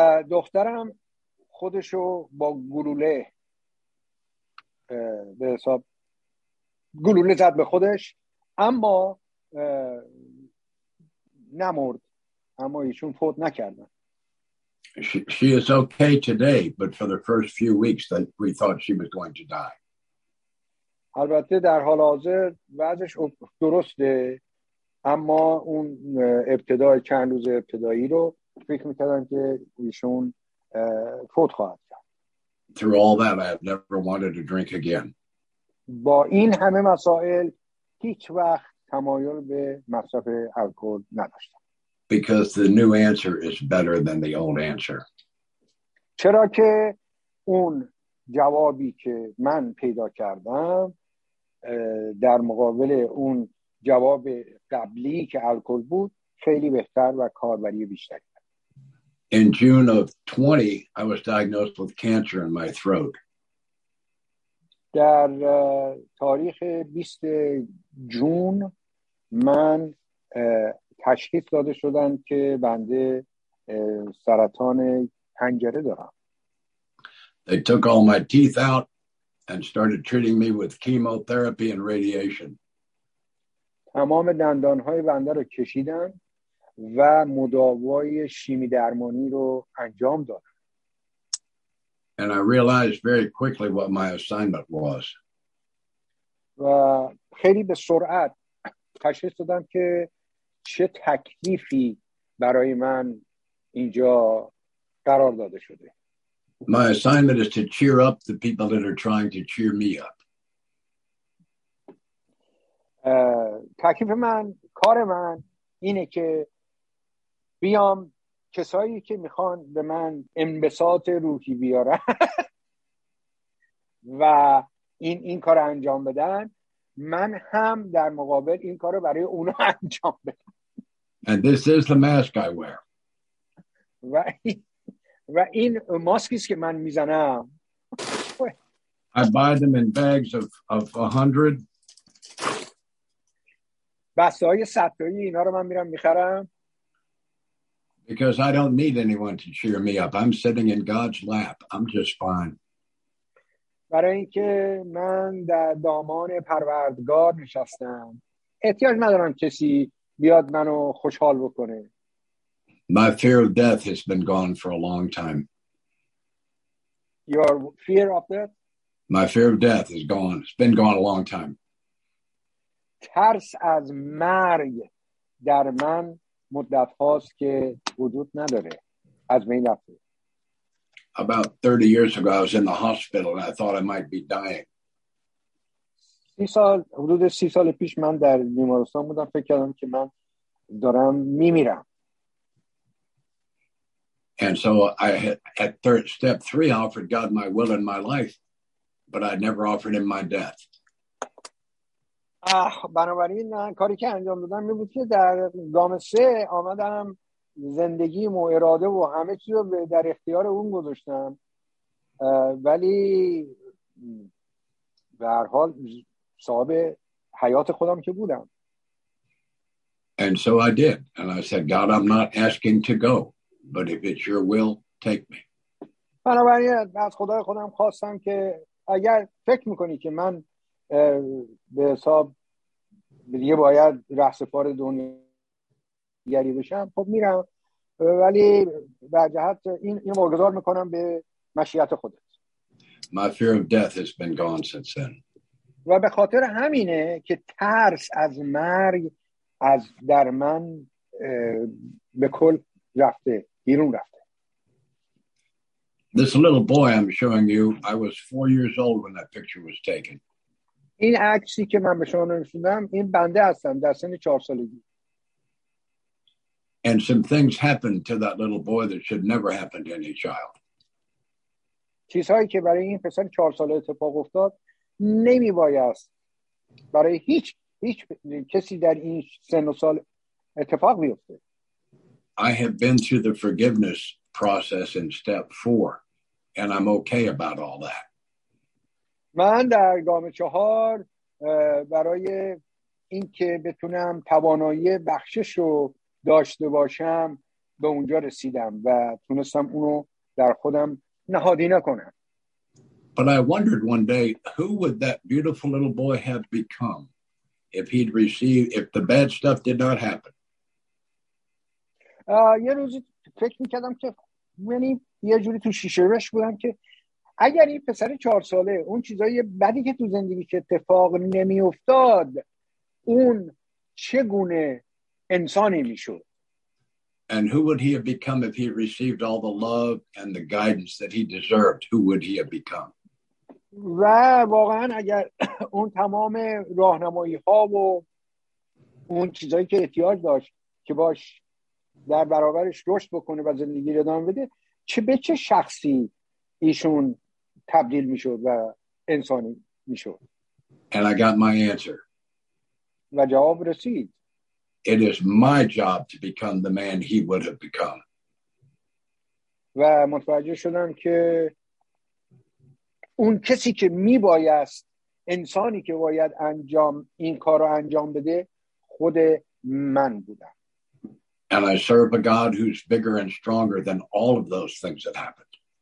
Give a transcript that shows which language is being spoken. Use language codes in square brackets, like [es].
[fa] دخترم خودشو با گلوله به حساب گلوله زد به خودش، اما نمرد، اما ایشون فوت نکردن. [en] She is okay today, but for the first few weeks that we thought she was going to die. [fa] البته در حال حاضر وضعش درسته، اما اون ابتدای چند روز ابتدایی رو فکر میکردم که ایشون فوت خواهد کرد. [en] Through all that I have never wanted to drink again. [fa] با این همه مسائل هیچ وقت تمایل به مصرف الکل نداشتم. [en] Because the new answer is better than the old answer. [fa] چرا که اون جوابی که من پیدا کردم در مقابل اون جواب قبلی که الکل بود خیلی بهتر و کاربری بیشتری. [en] In June of 20 I was diagnosed with cancer in my throat. [fa] در تاریخ 20 جون من تشخیص داده شدن که بنده سرطان حنجره دارم. [en] They took all my teeth out and started treating me with chemotherapy and radiation. [fa] تمام دندان‌های بنده رو کشیدن و مداوای شیمی درمانی رو انجام دادن. [en] And I realized very quickly what my assignment was. [fa] و خیلی به سرعت تشخیص دادم که چه تکلیفی برای من اینجا قرار داده شده. [en] My assignment is to cheer up the people that are trying to cheer me up. [fa] تکلیف من، کار من اینه که بیام کسایی که میخوان به من انبساط روحی بیارن و این کار رو انجام بدن، من هم در مقابل این کار رو برای اونا انجام بدم. [en] And this is the mask I wear. [fa] و این ماسکیست که من میزنم. [en] I buy them in bags of 100. [fa] بسته های صدتایی اینا رو من میرم میخرم. [en] Because I don't need anyone to cheer me up. I'm sitting in God's lap. I'm just fine. [fa] برای اینکه من در دامان پروردگار نشستم، احتیاج ندارم کسی بیاد منو خوشحال بکنه. [en] My fear of death has been gone for a long time. Your fear of death? My fear of death is gone. It's been gone a long time. [fa] ترس از مرگ در من مدت هاست که وجود نداره. از بین رفته. [en] About 30 years ago, I was in the hospital and I thought I might be dying. [fa] حدود 30 سال پیش من در بیمارستان بودم. فکر کردم که من دارم میمیرم. [en] And so I had, at third step three, I offered God my will and my life, but I never offered him my death. [fa] بنابراین کاری که انجام دادم می بود که در گام سه آمدم زندگیم و اراده و همه چیز رو در اختیار اون گذاشتم، ولی به هر حال صاحب حیات خودم که بودم. [en] And so I did, and I said, God, I'm not asking to go, but if it's your will, take me. [fa] بنابراین از خدای خودم خواستم که اگر فکر میکنی که من به حساب دیگه باید رهسپار دنیاگری بشم، خب میرم، ولی به جهت این واگذار میکنم به مشیت خودت. [en] My fear of death has been gone since then. [fa] و به خاطر همینه که ترس از مرگ از در من به کل رفته، بیرون رفته. [en] This little boy I'm showing you, I was 4 years old when that picture was taken. [fa] این عکسی که من به شما نشوندم، این بنده هستم در سن 4 سالگی. [en] And some things happened to that little boy that should never happen to any child. [fa] چیزهایی که برای این پسر 4 ساله اتفاق افتاد نمیبایست برای هیچ کسی در این سن و سال اتفاق بیفته. [en] I have been through the forgiveness process in step 4 and I'm okay about all that. [fa] من در گام 4 برای اینکه بتونم توانایی بخشش رو داشته باشم به اونجا رسیدم و تونستم اونو در خودم نهادینه کنم. [en] But I wondered one day who would that beautiful little boy have become if he'd received if the bad stuff did not happen. [fa] یه روزی فکر می‌کردم که یعنی یه جوری تو شیشه رش بودم که اگر این پسر 4 ساله اون چیزای بدی که تو زندگی که اتفاق نمی افتاد اون چگونه انسانی می شود. [en] And who would he have become if he received all the love and the guidance that he deserved? Who would he have become? [fa] و واقعا اگر اون تمام راهنمایی ها و اون چیزایی که احتیاج داشت که باش در برابرش رشد بکنه و زندگی رو ادامه بده، چه به چه شخصی ایشون تبدیل میشد و انسانی میشد. [en] And I got my answer. [fa] و جواب رسید. [en] It is my job to become the man he would have become. [fa] و متوجه شدم که اون کسی که میبایست انسانی که باید انجام این کار رو انجام بده خود من بودم. [en] And I serve a God who's bigger and stronger than all of those things that happened.